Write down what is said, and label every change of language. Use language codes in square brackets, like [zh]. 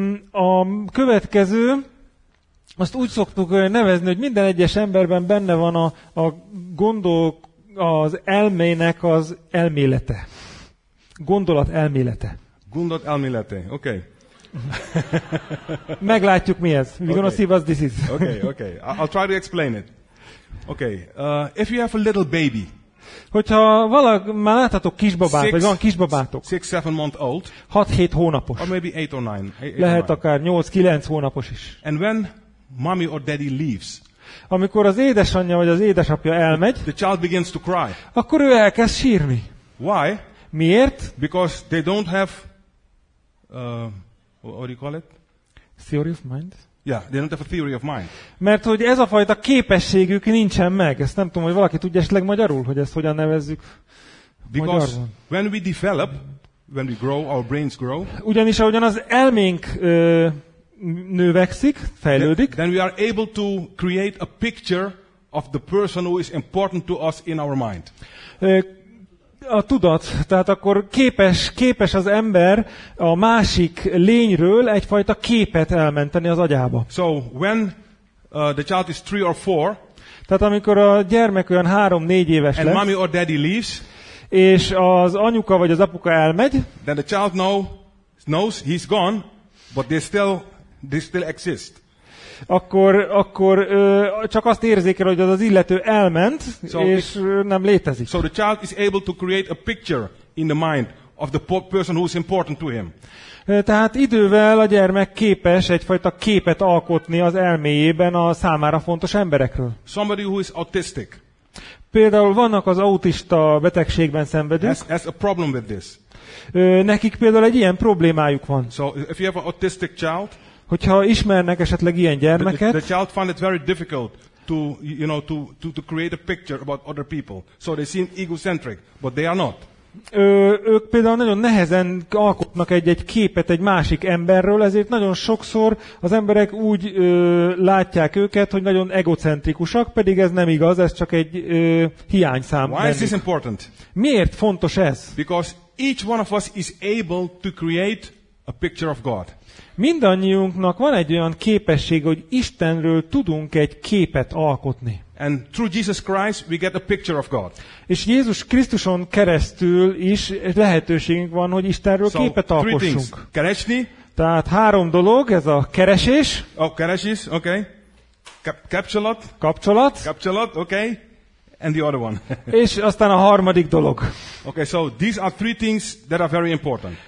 [hu] A következő, azt úgy szoktuk nevezni, hogy minden egyes emberben benne van a gondolk. Az elmének az elmélete. Gondolat elmélete. Gondolat elmélete, okay. Meglátjuk mi ez. [en] We're gonna see what this is. Okay. I'll try to explain it. Okay. If you have a little baby. [hu] Hogyha már láttatok kisbabát, vagy van kisbabátok. [en] 6-7 month old. [hu] 6-7 hónapos. [en] Or maybe 8 or 9. [hu] Lehet akár 8-9 hónapos is. [en] And when mommy or daddy leaves. [hu] Amikor az édesanyja vagy az édesapja elmegy, [en] the child begins to cry. [hu] Akkor ő elkezd sírni. [en] Why? [hu] Miért? [en] Because they don't have what do you call it? Theory of mind. Yeah, they don't have a theory of mind. [hu] Mert hogy ez a fajta képességük nincsen meg. Ezt nem tudom, hogy valaki tudja esetleg magyarul, hogy ezt hogyan nevezzük. [en] Because [hu] magyarban. [en] When we develop, when we grow, our brains grow. [hu] Ugyanis ahogyan az elménk növekszik, fejlődik. [en] Then we are able to create a picture of the person who is important to us in our mind. [hu] A tudat, tehát akkor képes az ember a másik lényről egyfajta képet elmenteni az agyába. [en] So when the child is 3 or 4, [hu] tehát amikor a gyermek olyan 3-4 éves lesz, [en] and mommy or daddy leaves, [hu] és az anyuka vagy az apuka elmegy, [en] then the child knows he's gone, but they still exist. [hu] Akkor csak azt érzékel, hogy az illető elment, so és nem létezik. [en] So the child is able to create a picture in the mind of the person who is important to him. [hu] Tehát idővel a gyermek képes egyfajta képet alkotni az elméjében a számára fontos emberekről. [en] Somebody who is autistic. [hu] Például vannak az autista betegségben szenvedők. [en] Has a problem with this. [hu] Nekik például egy ilyen problémájuk van. [en] So if you have an autistic child, [hu] hogyha ismernek esetleg ilyen gyermeket, [en] the child find it very difficult to, you know, to create a picture about other people. So they seem egocentric, but they are not. [hu] Ők például nagyon nehezen alkotnak egy-egy képet egy másik emberről, ezért nagyon sokszor az emberek úgy látják őket, hogy nagyon egocentrikusak, pedig ez nem igaz, ez csak egy hiányszám. [en] Why is this important? [hu] Miért fontos ez? [en] Because each one of us is able to create a picture of God. [hu] Mindannyiunknak van egy olyan képesség, hogy Istenről tudunk egy képet alkotni. [en] And through Jesus Christ we get a picture of God. [hu] És Jézus Krisztuson keresztül is lehetőségünk van, hogy Istenről [en] so, [hu] képet alkossunk. Keresni. Tehát három dolog, ez a keresés. [en] Oh, keresés, okay. Kapcsolat. [hu] Kapcsolat. [en] Kapcsolat, okay. And the other one. [hu] És aztán a harmadik dolog. [en] Okay, so these are three things that are very important.